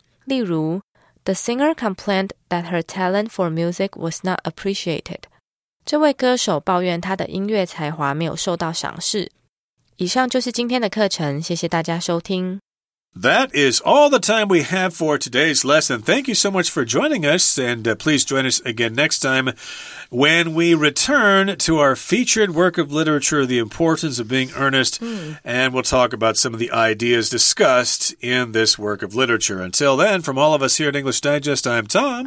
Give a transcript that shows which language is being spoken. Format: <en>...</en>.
<zh>例如</zh> <en>,The singer complained that her talent for music was not appreciated.</en> <zh>这位歌手抱怨她的音乐才华没有受到赏识。以上就是今天的课程，谢谢大家收听。</zh> <en>That is all the time we have for today's lesson. Thank you so much for joining us, and please join us again next time when we return to our featured work of literature, The Importance of Being Earnest, and we'll talk about some of the ideas discussed in this work of literature. Until then, from all of us here at English Digest, I'm Tom.</en>